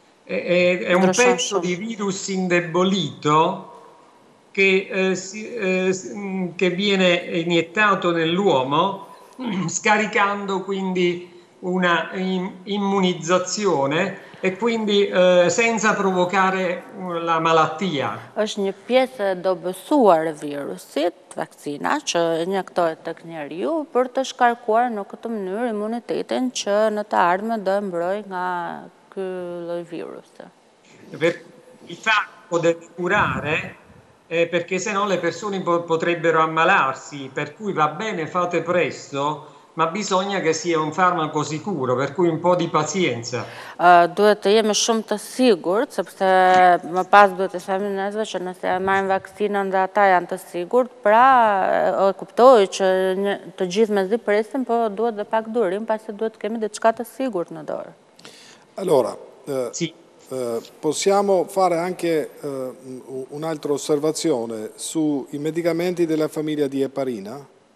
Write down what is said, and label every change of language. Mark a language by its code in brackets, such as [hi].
[it] È un pezzo di virus indebolito che viene iniettato nell'uomo, scaricando quindi una immunizzazione e quindi senza provocare la malattia. [sq] Është një pjesë dobësuar e virusit, vaksina, që injektohet tek njeriu për të shkarkuar në këtë mënyrë imunitetin që në të ardhme do e mbrojë nga ky lloj virusi. [it] Il farmaco deve curare, perché se no le persone potrebbero ammalarsi, per cui va bene, fate presto, ma bisogna che sia un farmaco sicuro, per cui un po' di pazienza. [sq] Duhet të jemi shumë të sigurt, sepse më pas duhet të themi nesër që nëse marrin vaksinën dhe ata janë të sigurt, pra e kuptoj që të gjithë mezi presin, po duhet dhe pak durim, pasi duhet të kemi diçka të sigurt në dorë. [it] Allora, sì. Possiamo fare anche un'altra osservazione sui medicamenti della famiglia di eparina?